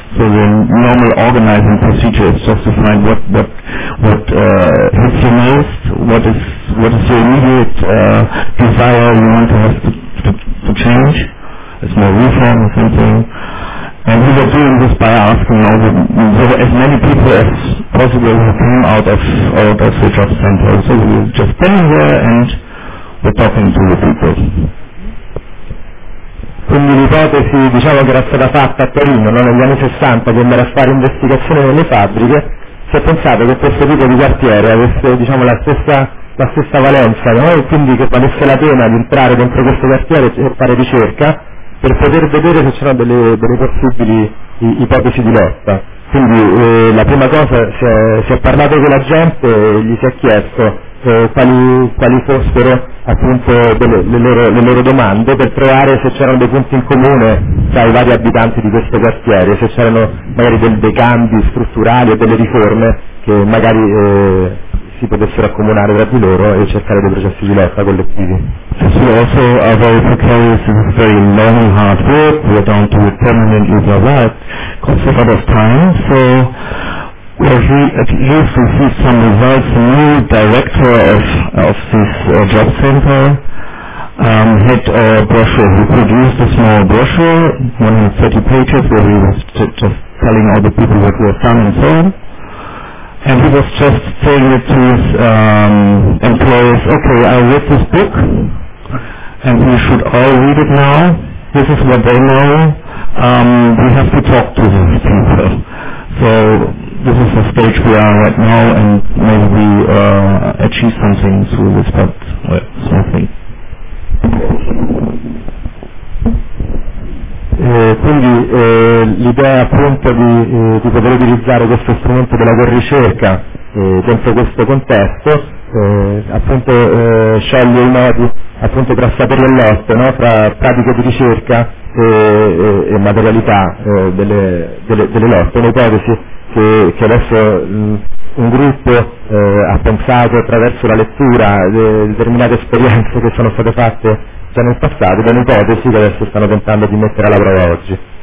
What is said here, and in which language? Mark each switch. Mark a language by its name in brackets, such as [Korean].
[English] So the normal organizing procedure is just to find what hits you most, what is your immediate desire you want to have to change, a small reform or something. And we were doing this by asking all as many people as possible who came out of the job center. So we were just standing there and we're talking to the people. [Italian] Quindi l'ipotesi, diciamo, che era stata fatta a Torino, no? Negli anni 60, che andava a fare investigazione nelle fabbriche, si è pensato che questo tipo di quartiere avesse, diciamo, la stessa valenza, no? E quindi che valesse la pena di entrare dentro questo quartiere e fare ricerca per poter vedere se c'erano delle possibili ipotesi di lotta. Quindi la prima cosa, si è parlato con la gente e gli si è chiesto quali fossero appunto le loro domande, per trovare se c'erano dei punti in comune tra i vari abitanti di questo quartiere, se c'erano magari dei cambi strutturali o delle riforme che magari si potessero accomunare tra di loro e cercare dei processi di lotta collettivi. [English] So also a very precarious, very long and hard work, we're down to it permanently, blah blah, cost a lot of time, so we have at least received some results. The new director of this job center had a brochure. He produced a small brochure, 130 pages, where he was just telling all the people what was done and so on. And he was just saying it to his employees, okay, I read this book, and we should all read it now. This is what they know. We have to talk to these people. So this is the stage we are right now, and maybe we achieve something through this, but something. [Italian] Quindi l'idea appunto di poter utilizzare questo strumento della corricerca dentro questo contesto appunto scioglie i nodi appunto tra sapere e lotte, no? Tra pratiche di ricerca e materialità delle lotte, un'ipotesi che adesso un gruppo ha pensato attraverso la lettura di determinate esperienze che sono state fatte già nel passato, da un'ipotesi che adesso stanno tentando di mettere alla prova oggi.